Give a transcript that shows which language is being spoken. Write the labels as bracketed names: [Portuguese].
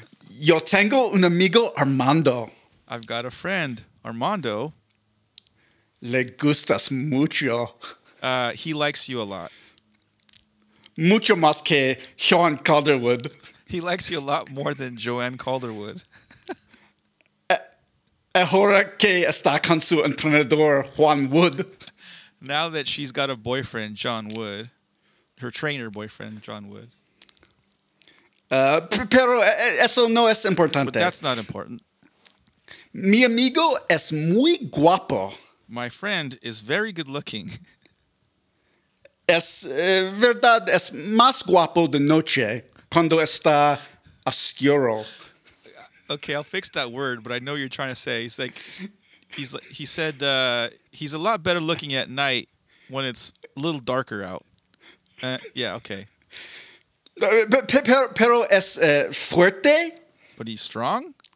[Spanish] Yo tengo un amigo Armando. [English] I've got a friend, Armando. [Spanish] Le gustas mucho. [English] He likes you a lot. [Spanish] Mucho más que Joan Calderwood. [English] He likes you a lot more than Joanne Calderwood. [Spanish] Ahora que está con su entrenador, Juan Wood. [English] Now that she's got a boyfriend, John Wood, her trainer boyfriend, John Wood. [Spanish] Pero eso no es importante. [English] But that's not important. [Spanish] Mi amigo es muy guapo. [English] My friend is very good looking. [Spanish] Es verdad, es más guapo de noche cuando está oscuro. [English] Okay, I'll fix that word, but I know what you're trying to say. He said he's a lot better looking at night when it's a little darker out. Yeah, okay. [Spanish] Pero es fuerte. [English] But he's strong?